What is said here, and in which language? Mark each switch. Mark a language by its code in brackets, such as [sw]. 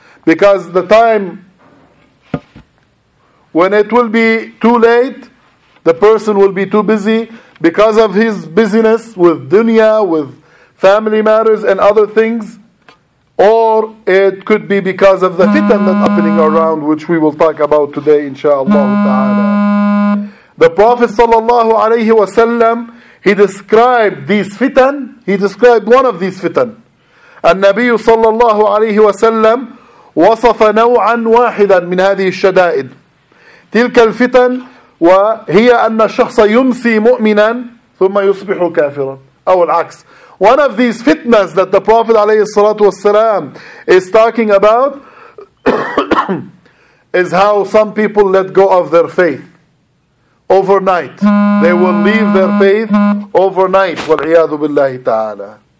[en] Because the time when it will be too late, the person will be too busy because of his busyness with dunya, with family matters and other things, or it could be because of the fitan that's happening around, which we will talk about today, inshaAllah ta'ala. The Prophet sallallahu alayhi wa sallam, he described these fitan, he described one of these fitan. [ar] النبي صلى الله عليه وسلم وصف نوعا واحدا من هذه الشدائد تلك الفتن وهي أن الشخص يمسي مؤمنا ثم يصبح كافرا أو العكس. [en] One of these fitnas that the Prophet [ar] عليه الصلاة والسلام [en] is talking about is how some people let go of their faith overnight. They will leave their faith overnight, [ar] والعياذ بالله تعالى.